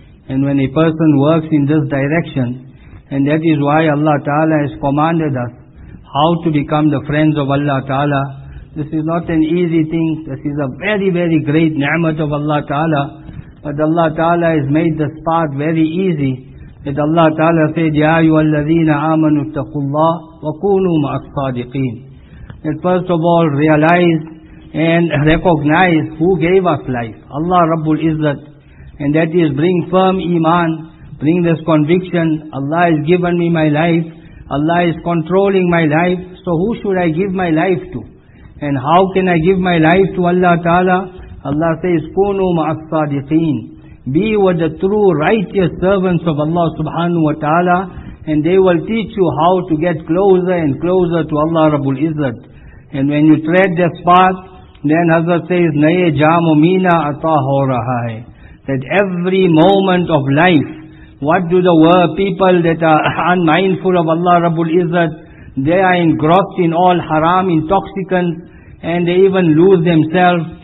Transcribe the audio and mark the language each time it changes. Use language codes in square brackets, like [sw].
[en] And when a person works in this direction, and that is why Allah Ta'ala has commanded us how to become the friends of Allah Ta'ala, this is not an easy thing. This is a very, very great ni'mat of Allah Ta'ala. But Allah Ta'ala has made this path very easy. That Allah Ta'ala said, [ar] يَا أَيُّهَا الَّذِينَ آمَنُوا اتَّقُوا اللَّهَ وَكُونُوا مَعَ الصَّادِقِينَ. [en] That first of all, realize and recognize who gave us life. Allah Rabbul Izzat. And that is, bring firm iman, bring this conviction, Allah has given me my life, Allah is controlling my life, so who should I give my life to? And how can I give my life to Allah Ta'ala? Allah says, [ar] كُونُوا مَعَ الصَّادِقِينَ. [en] Be with the true righteous servants of Allah Subhanahu Wa Ta'ala, and they will teach you how to get closer and closer to Allah Rabbul Izzat. And when you tread this path, then Hazrat says, [ur] نَيَ جَامُ مِنَا عَطَى هُو رَحَا هَي. [en] That every moment of life, what do the world people that are unmindful of Allah Rabbul Izzat, they are engrossed in all haram intoxicants, and they even lose themselves.